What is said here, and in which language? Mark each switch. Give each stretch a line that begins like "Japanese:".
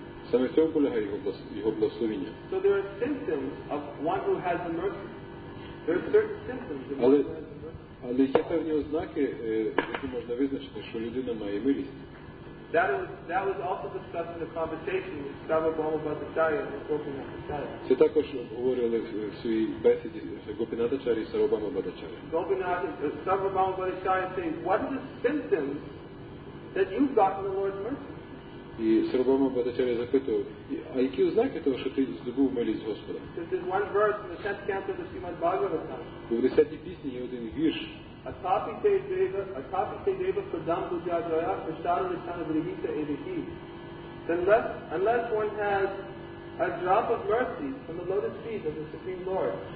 Ukrainian: Саме в цьому полягає його благословення.
English: So there are symptoms of one who has the mercy. There are certain symptoms of one who has the mercy.
Ukrainian: Але є певні ознаки, які можна визначити, що людина має милість.
English: That was also discussed in the conversation with Sarva Bhauma Bhattacharya and Gopinath Acharya.
Ukrainian: Це також говорили в своїй бесіді Гопінат Ачар'я і Сарва Бхаума Бхаттачар'я.
English: Sarva Bhauma Bhattacharya saying, what are the symptoms that you've gotten the Lord's mercy?
Ukrainian: І Сарва Бхаума Бхаттачар'я запитував, а які ознаки того, що ти здобув милість Господа?
English: There's one verse in the 10th canto of Srimad Bhagavatam.
Ukrainian: В 10-й пісні є один вірш.
Sanskrit: Atapite deva pradam bhujyajaya prasadam ishana vrihita edhi.
English: Unless one has a drop of mercy from the lotus feet of the Supreme Lord.